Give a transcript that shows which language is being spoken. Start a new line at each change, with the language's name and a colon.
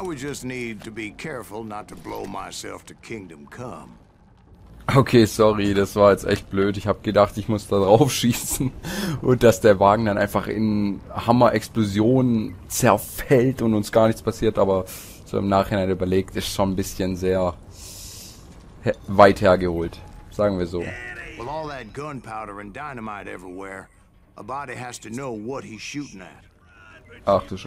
English: I would just need to be careful not to blow myself to kingdom come.
German: Okay, sorry, das war jetzt echt blöd. Ich habe gedacht, ich muss da drauf schießen und dass der Wagen dann einfach in Hammer-Explosionen zerfällt und uns gar nichts passiert, aber so im Nachhinein überlegt, ist schon ein bisschen sehr weit hergeholt, sagen wir so.
English: With all that gunpowder and dynamite everywhere, a body has to know what he's shooting at.